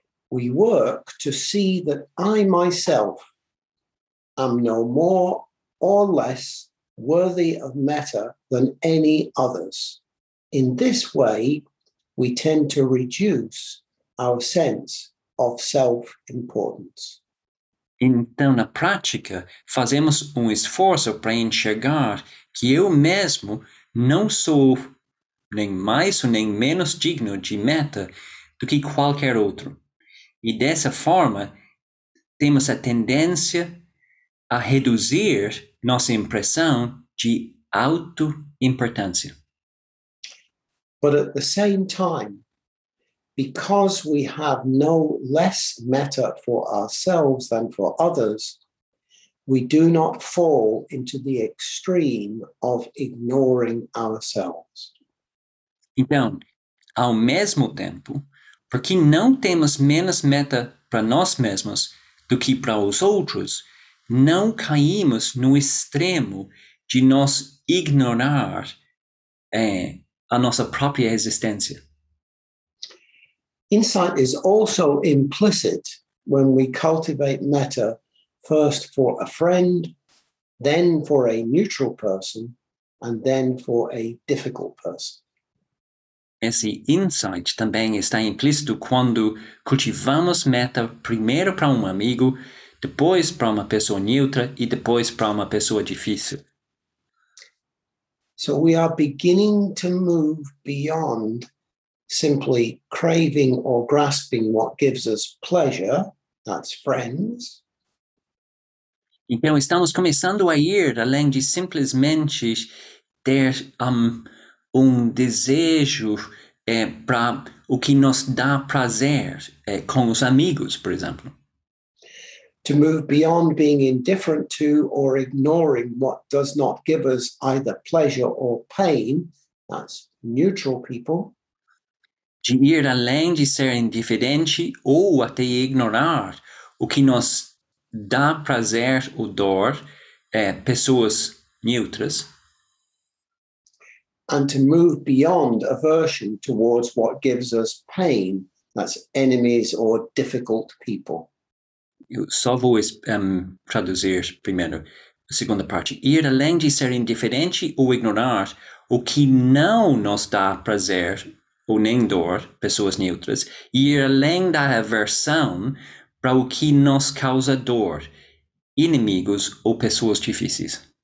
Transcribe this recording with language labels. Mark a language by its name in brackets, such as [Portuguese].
[English] We work to see that I myself am no more or less worthy of metta than any others. In this way, we tend to reduce our sense of self-importance. [Portuguese] Então, na prática, fazemos esforço para enxergar que eu mesmo não sou nem mais ou nem menos digno de metta do que qualquer outro. E dessa forma, temos a tendência a reduzir nossa impressão de auto-importância. [English] But at the same time, because we have no less metta for ourselves than for others, we do not fall into the extreme of ignoring ourselves. [Portuguese] Então, ao mesmo tempo, porque não temos menos metta para nós mesmos do que para os outros, não caímos no extremo de nos ignorar a nossa própria existência. [English] Insight is also implicit when we cultivate metta first for a friend, then for a neutral person, and then for a difficult person. [Portuguese] Esse insight também está implícito quando cultivamos metta primeiro para amigo, depois para pessoa neutra e depois para pessoa difícil. [English] So we are beginning to move beyond simply craving or grasping what gives us pleasure, that's friends. [Portuguese] Então estamos começando a ir além de simplesmente ter desejo para o que nos dá prazer com os amigos, por exemplo. [English] To move beyond being indifferent to or ignoring what does not give us either pleasure or pain, that's neutral people. [Portuguese] De ir além de ser indiferente ou até ignorar o que nos dá prazer ou dor, pessoas neutras. [English] And to move beyond aversion towards what gives us pain, that's enemies or difficult people. [Portuguese] Eu só vou traduzir primeiro a segunda parte. Ir além de ser indiferente ou ignorar o que não nos dá prazer ou nem dor, pessoas neutras, e ir além da aversão para o que nos causa dor, inimigos ou pessoas difíceis.